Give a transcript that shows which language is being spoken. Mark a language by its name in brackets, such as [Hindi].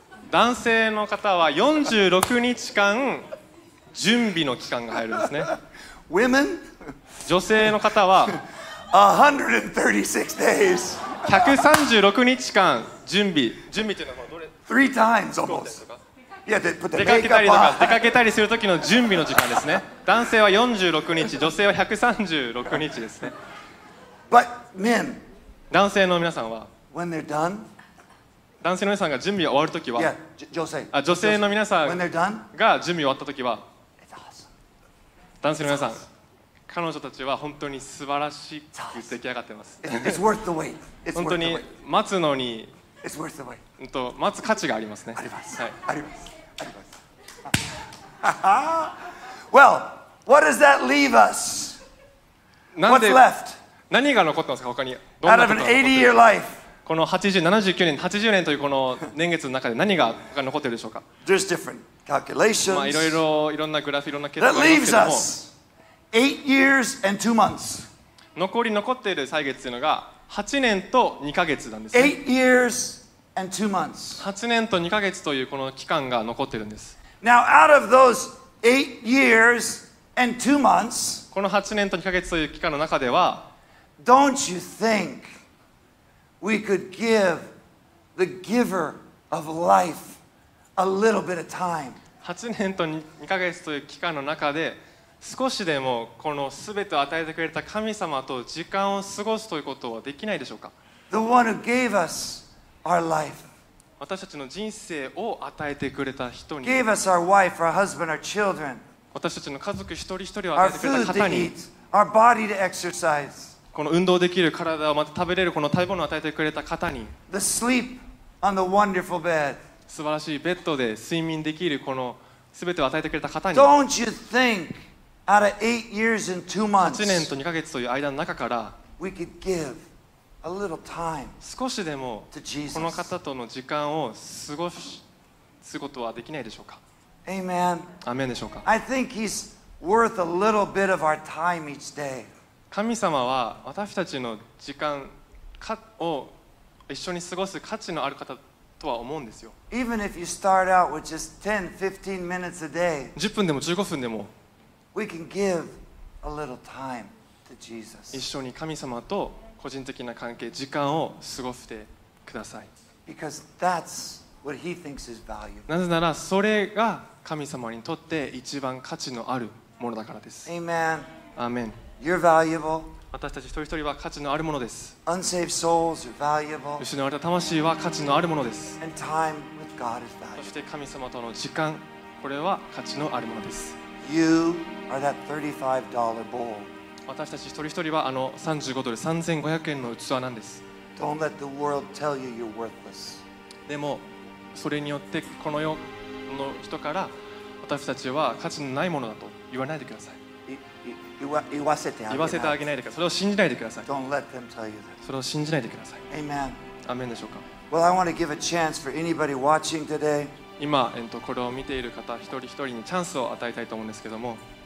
[Japanese] 男性の方は46日間準備の期間が入るんですね。 [English] Women? [Japanese] 女性の方は [English] 136 days. [Japanese] 136日間準備。準備というのはどれ [English] ?3 times almost. [Japanese] 出かけたりするときの準備の時間ですね。男性は46日、女性は136日ですね。 [English] But men, [Japanese] 男性の皆さんは [English] when they're done, [Japanese] 男性の皆さんが準備が終わるときは yeah, 女性あ、女性の皆さんが準備終わったときは [English] It's awesome. [Japanese] 男性の皆さん、彼女たちは本当に素晴らしく出来上がっています。 [English] It's worth the wait. It's [Japanese] 本当に待つのに [English] It's worth the wait. [Japanese] 待つ価値がありますね。あります。はい、あります。あります。 [English] well, what does that leave us? What's left? [Japanese] 何が残ったんですか、他に。 [English] Out of an 80-year life. [Japanese] この79年、80年というこの年月の中で何が残っているでしょうか。 [English] There's different calculations. [Japanese] まあ、いろんなグラフ、いろんな計算があるんですけども。 [English] That leaves us 8 years and 2 months. [Japanese] 残っている歳月というのが8年と2ヶ月なんですね。 [English] 8 years. And 2 months. [Japanese] 8年と2ヶ月というこの期間が残っているんです。 [English] Now, out of those 8 years and 2 months, [Japanese] この8年と2ヶ月という期間の中では、 [English] Don't you think we could give the giver of life a little bit of time? [Japanese] 8年と2ヶ月という期間の中で、少しでもこの全てを与えてくれた神様と時間を過ごすということはできないでしょうか? [English] The one who gave us. Our life. [Japanese] 私たちの人生を与えてくれた人に [English] Gave us our wife, our husband, our children. [Japanese] 私たちの家族一人一人を与えてくれた方に [English] Our food to eat, our body to exercise. [Japanese] この運動できる体をまた食べれるこの食べ物を与えてくれた方に [English] The sleep on the wonderful bed. [Japanese] 素晴らしいベッドで睡眠できるこの全てを与えてくれた方に [English] Don't you think out of 8 years and 2 months [Japanese] 8年と2ヶ月という間の中から [English] We could give A little time [Japanese] 少しでもこの方との時間を過ごすことはできないでしょうか [English] Amen. [Japanese] アメンでしょうか [English] I think he's worth a little bit of our time each day. [Japanese] 神様は私たちの時間を一緒に過ごす価値のある方とは思うんですよ [English] Even if you start out with just 10, 15 minutes a day, [Japanese] 10分でも15分でも [English] we can give a little time to Jesus. [Japanese] 一緒に神様と個人的な関係、時間を過ごしてください。 [English] Because that's what he thinks is valuable. [Japanese] なぜならそれが神様にとって一番価値のあるものだからです。 [English] Amen. Amen. You're valuable. [Japanese] 私たち一人一人は価値のあるものです。 [English] Unsaved souls are valuable. [Japanese] 失われた魂は価値のあるものです。 [English] And time with God is valuable. [Japanese] そして神様との時間、これは価値のあるものです。 [English] You are that $35 bowl. [Japanese] 私たち一人一人はあの35ドル3500円の器なんです。 [English] Don't let the world tell you you're worthless. [Japanese] でもそれによってこの世の人から私たちは価値のないものだと言わないでください。言わせてあげないでください。それを信じないでください。 [English] Don't let them tell you that. [Japanese] それを信じないでください。 [English] Amen. [Japanese] アメンでしょうか。 [English] Well, I want to give a chance for anybody watching today. [Japanese] 今、これを見ている方一人一人にチャンスを与えたいと思うんですけども。